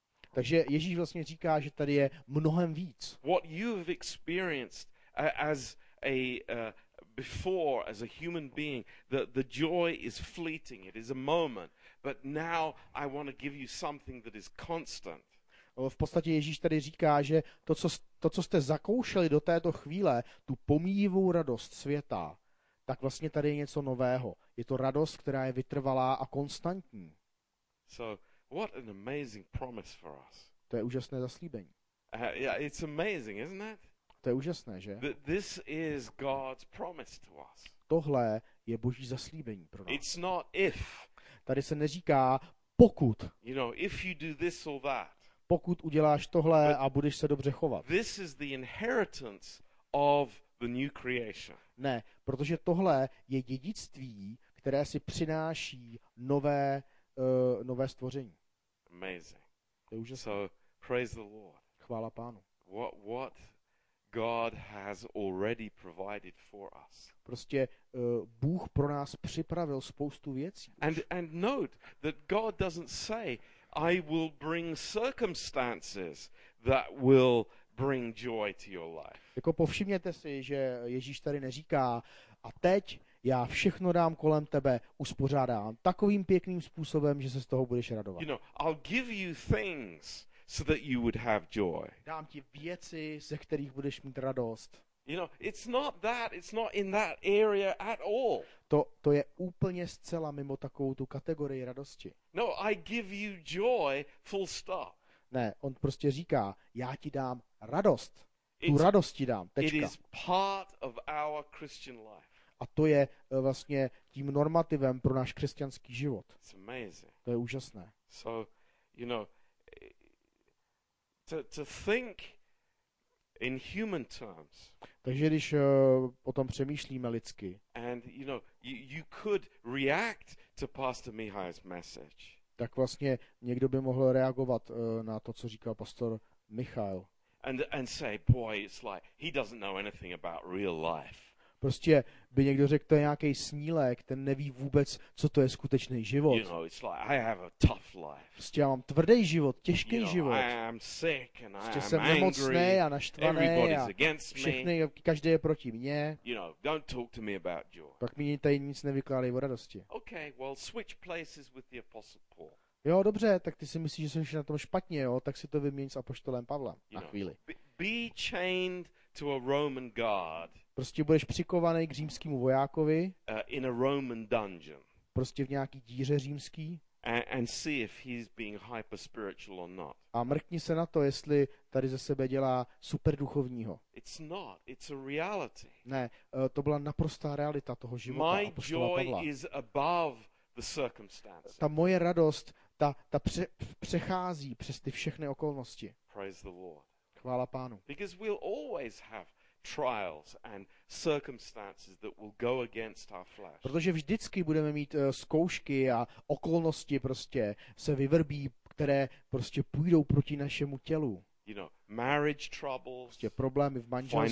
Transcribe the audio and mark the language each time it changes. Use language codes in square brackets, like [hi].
[cs] Takže Ježíš vlastně říká, že tady je mnohem víc. [en] What you've experienced as a before as a human being, the joy is fleeting, it is a moment, but now I want to give you something that is constant. [cs] V podstatě Ježíš tady říká, že to co jste zakoušeli do této chvíle, tu pomíjivou radost světa, tak vlastně tady je něco nového, je to radost, která je vytrvalá a konstantní. [en] So what an amazing promise for us. [cs] To je úžasné zaslíbení. [en] Yeah, it's amazing, isn't it? [cs] To je úžasné, že? [en] This is God's promise to us. [cs] Tohle je Boží zaslíbení pro nás. [en] It's not if. [cs] Tady se neříká pokud. [en] You know, if you do this or that. [cs] Pokud uděláš tohle a budeš se dobře chovat. [en] This is the inheritance of the new creation. [cs] Ne, protože tohle je dědictví, které si přináší nové stvoření. [en] Amazing. [cs] To je úžasné. [en] So praise the Lord. [cs] Chvála Pánu. [en] What God has already provided for us. [cs] Prostě Bůh pro nás připravil spoustu věcí. [en] And note that God doesn't say I will bring circumstances that will bring joy to your life. [cs] Jako povšimněte si, že Ježíš tady neříká, a teď já všechno dám kolem tebe, uspořádám takovým pěkným způsobem, že se z toho budeš radovat. [en] You know, I'll give you things so that you would have joy. [cs] Dám ti věci, ze kterých budeš mít radost. [en] You know, it's not that, it's not in that area at all. [cs] To je úplně zcela mimo takovou tu kategorii radosti. [en] No, I give you joy, full stop. [cs] Ne, on prostě říká, já ti dám radost. Tu radost ti dám, tečka. [en] It is part of our Christian life. [cs] A to je vlastně tím normativem pro náš křesťanský život. [en] It's amazing. [cs] To je úžasné. [en] So, you know, to think in human terms. [cs] Takže když o tom přemýšlíme lidsky. [en] And you know, you could react to Pastor Mihai's message. [cs] Tak vlastně někdo by mohl reagovat na to, co říkal pastor Michal. [en] And say, boy, it's like he doesn't know anything about real life. [cs] Prostě by někdo řekl, to je nějaký snílek, ten neví vůbec, co to je skutečný život. [en] You know, it's like I have a tough life. [cs] Prostě já mám tvrdý život, těžký život. [en] You know, I am sick and [cs] prostě [en] I am [cs] jsem [en] angry. [cs] Nemocný a naštvaný. [en] Everybody's [cs] a [en] against me. [cs] Všechny, každý je proti mně. [en] You know, don't talk to me about joy. [cs] Pak mi tady nic nevykládej o radosti. [en] Okay, well, switch places with the Apostle Paul. [cs] Jo, dobře, tak ty si myslíš, že jsi na tom špatně, jo? Tak si to vyměň s apoštolem Pavlem na chvíli. [en] Be chained to a Roman guard. [cs] Prostě budeš přikovaný k římskému vojákovi. [en] In a Roman dungeon. [cs] Prostě v nějaký díře římský. [en] And see if he's being hyper spiritual or not. [cs] A mrkni se na to, jestli tady ze sebe dělá superduchovního. [en] It's not, it's a reality. [cs] Ne, to byla naprostá realita toho života apoštola Pavla. [en] My joy is above the circumstances. [cs] Ta moje radost, ta přechází přes ty všechny okolnosti. [en] Praise the Lord. [cs] Chvála Pánu. [en] Because we'll always have trials and circumstances that will go against our flesh. [cs] Protože vždycky budeme mít zkoušky a okolnosti prostě se vyvrbí, které prostě půjdou proti našemu tělu. [en] You know, marriage troubles. [cs] Prostě problémy v manželství.